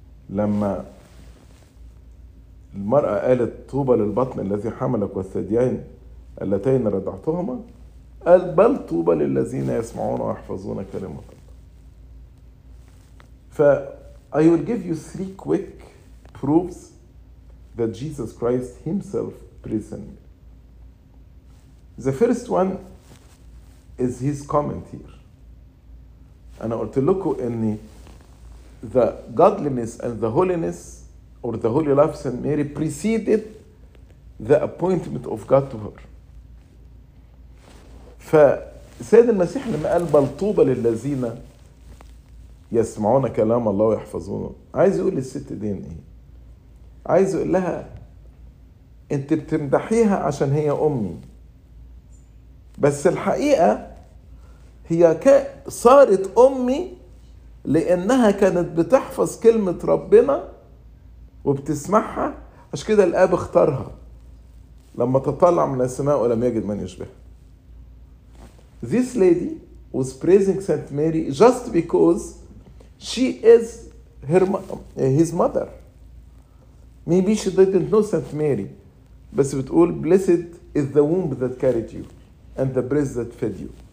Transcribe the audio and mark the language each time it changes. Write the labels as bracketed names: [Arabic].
[Arabic] لما المرأة قالت طوبى للبطن الذي حملك والثديين اللتين رضعتهما قال بل طوبى للذين يسمعون ويحفظون كلمة الله. [English] ف I will give you three quick proofs that Jesus Christ himself praised me. The first one is his comment here. [Arabic] أنا قلت لكم أني [English] the godliness and the holiness or the holy life of St. Mary preceded the appointment of God to her. [Arabic] فسيد المسيح لما قال بل طوبى للذين يسمعون كلام الله ويحفظونه عايز يقول للست دي ايه؟ عايز يقول لها انت بتمدحيها عشان هي امي بس الحقيقة هي صارت امي لأنها كانت بتحفظ كلمة ربنا وبتسمعها. عش كده الآب اختارها لما تطلع من السماء ولم يجد من يشبه. [English] This lady was praising Saint Mary just because she is his mother. Maybe she didn't know Saint Mary [Arabic] بس بتقول [English] blessed is the womb that carried you and the breast that fed you.